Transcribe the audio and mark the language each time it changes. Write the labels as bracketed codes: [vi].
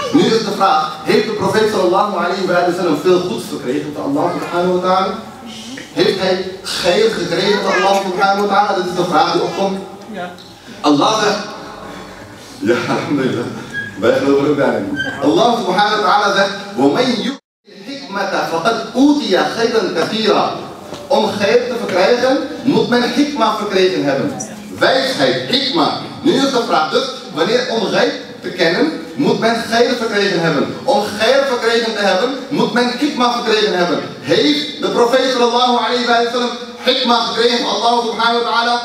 [nl] Nu is de vraag, heeft de profeet sallallahu alayhi wa sallam veel goeds verkregen van Allah subhanahu wa ta'ala? Heeft hij ghaib gekregen van Allah subhanahu wa ta'ala? Dit is de vraag die opkomt. Allah zegt, ja, wij geloven ook daarin. Allah subhanahu wa ta'ala zegt, [ar] وَمَنْ يُؤْتِي الْحِكْمَةَ فَقَدْ أُوتِيَ خَيْرًا كَثِيرًا. [nl] Om ghaib te verkrijgen, moet men hikma verkregen hebben. Wijsheid, hikma. Nu is de vraag dus, wanneer om ghaib te kennen, moet men ghaib verkregen hebben. Om ghaib verkregen te hebben, moet men hikma verkregen hebben. Heeft de profeet sallallahu alayhi wa sallam hikma gekregen van Allah subhanahu wa ta'ala?